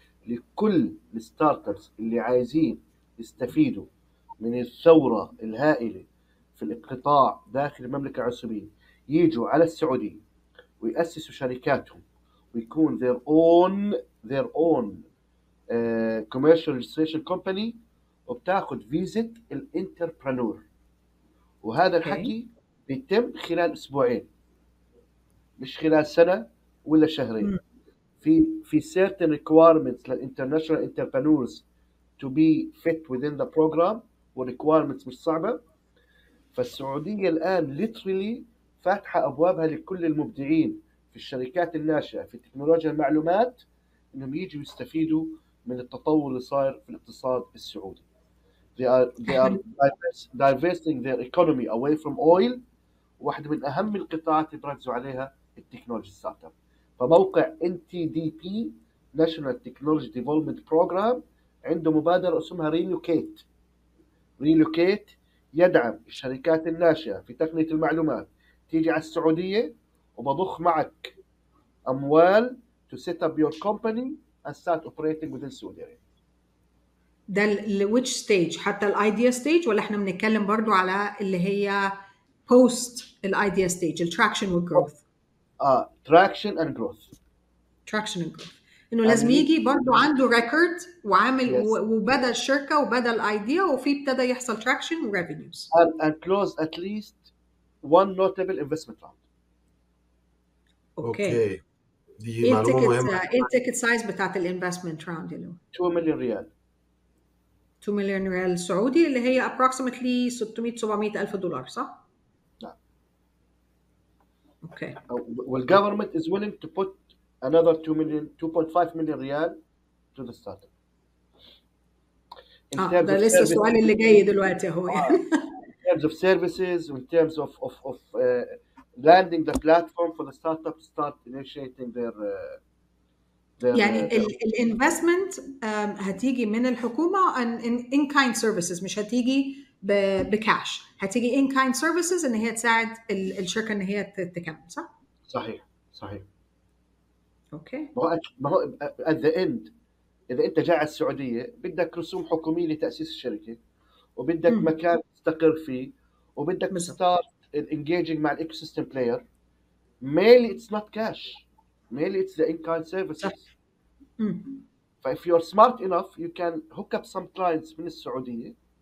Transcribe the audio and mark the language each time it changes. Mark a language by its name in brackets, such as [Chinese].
[Arabic] لكل الستارت ابس اللي عايزين يستفيدوا من الثوره الهائله في الاقتطاع داخل المملكه العربيه، يجوا على السعوديه ويأسسوا شركاتهم ويكون [English] their own commercial registration company، [Arabic] وبتاخد فيزا الانتربرنور. وهذا الحكي بيتم خلال اسبوعين، مش خلال سنه ولا شهرين. [English] في certain requirements للانترناشونال entrepreneurs to be fit within the program، والrequirements [Arabic] مش صعبه. فالسعوديه الان literally فاتحه ابوابها لكل المبدعين في الشركات الناشئه في تكنولوجيا المعلومات انهم يجوا يستفيدوا من التطور اللي صاير في الاقتصاد السعودي. [English] They are divesting their economy away from oil. [Arabic] واحدة من أهم القطاعات اللي بركزوا عليها التكنولوجي الستارت اب. فموقع NTDP National Technology Development Program عنده مبادرة اسمها Relocate، يدعم الشركات الناشئة في تقنية المعلومات تيجي على السعودية وبضخ معك أموال [English] to set up your company and start operating within Saudi Arabia. [Arabic] ده ال [English] which stage؟ [Arabic] حتى ال idea stage ولا احنا بنتكلم برضو على اللي هي post ال idea stage، ال [English] traction and growth؟ traction and growth. traction and growth. [Arabic] انه لازم يجي برضو عنده record وعامل وبدا الشركة وبدا ال idea وفي ابتدى يحصل traction و revenues. [English] And close at least one notable investment round. [Arabic] Okay. دي معلومة مهمة. ايه [English] ticket size [Arabic] بتاعت ال [English] investment round؟ [Arabic] 2 مليون ريال. 2 مليون ريال سعودي اللي هي approximately 600-700 ألف دولار، صح؟ نعم. Okay. [English] والgovernment is willing to put another 2.5 [Arabic] مليون ريال [English] to the startup. [Arabic] ده لسه السؤال اللي جاي دلوقتي هو. [English] In terms of services, in terms of landing the platform for the startup to start initiating their [Arabic] يعني الانفستمنت هتيجي من الحكومه [English] in kind services, [Arabic] مش هتيجي بكاش، هتيجي ان كايند سيرفيسز ان هي تساعد الشركه ان هي تكمل، صح؟ صحيح صحيح. اوكي. ما هو [English] at the end [Arabic] اذا انت جاي على السعوديه بدك رسوم حكوميه لتاسيس الشركه، وبدك مكان تستقر فيه، وبدك ستارت انجيجينج مع الايكو سيستم بلاير، [English] mainly it's not cash. Mainly it's the in-kind services. But if you're smart enough, you can hook up some clients from the Saudi.